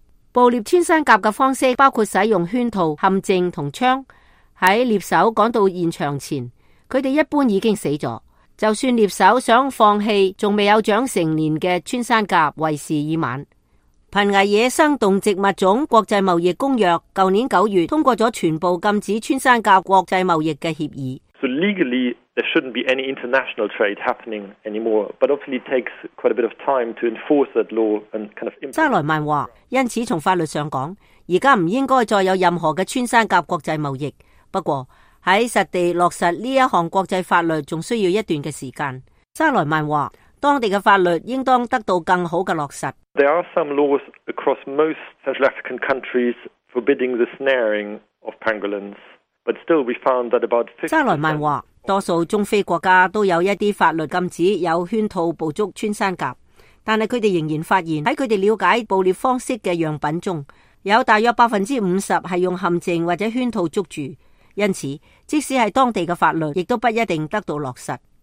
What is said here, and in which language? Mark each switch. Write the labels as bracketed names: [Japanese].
[Chinese] 捕猎穿山甲的方式包括使用圈套、陷阱和枪，在猎手赶到现场前他们一般已经死了。就算猎手想放弃还未有长成年的穿山甲为时已晚。濒危野生动植物种国际贸易公约去年九月通过了全部禁止穿山甲国际贸易的协议。 [English] So legally, there shouldn't be any international trade happening anymore, but obviously it takes quite a bit of time to enforce that law and kind of implement. [Chinese] 沙莱曼说，因此从法律上讲，现在不应该再有任何的穿山甲国际贸易。不过在实地落实这一项国际法律还需要一段的时间。沙莱曼说，当地的法律应当得到更好的落实。 [English] There are some laws across most Central African countries forbidding the snaring of pangolins, but still we found that about 50%. [Chinese] 沙莱曼说，多数中非国家都有一些法律禁止有圈套捕捉穿山甲，但是他们仍然发现在他们了解捕猎方式的样品中，有大约 50% 是用陷阱或者圈套捉住，因此即使是当地的法律，亦都不一定得到落实。